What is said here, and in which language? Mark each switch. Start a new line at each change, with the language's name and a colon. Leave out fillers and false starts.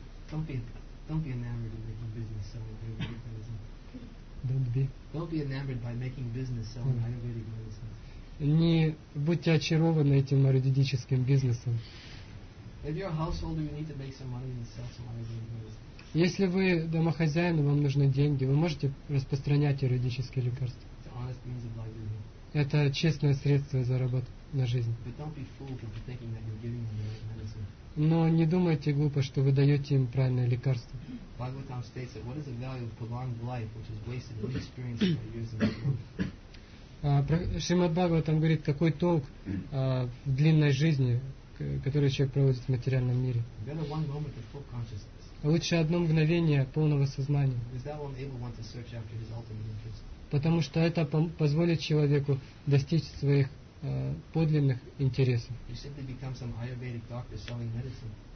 English: Don't be enamored by making business selling Ayurvedic medicine.
Russian: Не будьте очарованы этим аюрведическим бизнесом.
English: If you're a householder, you need to make some money and sell some Ayurvedic medicine.
Russian: Если вы домохозяин, вам нужны деньги, вы можете распространять аюрведические лекарства.
English: It's honest means of livelihood.
Russian: Это честное средство заработать на жизнь.
English: But don't be fooled into thinking that you're giving them the right medicine.
Russian: Но не думайте глупо, что вы даете им правильное лекарство.
English: Bhagavatam states that what is the value of prolonged life, which is wasted in experience by using drugs.
Russian: Шримад Бхагаватам говорит, какой толк в длинной жизни, которую человек проводит в материальном мире.
English: Better one moment of full consciousness.
Russian: Лучше одно мгновение полного сознания.
English: Is that one able one to search after his ultimate interest?
Russian: Потому что это позволит человеку достичь своих подлинных интересов.
English: You simply become some Ayurvedic doctor selling medicine.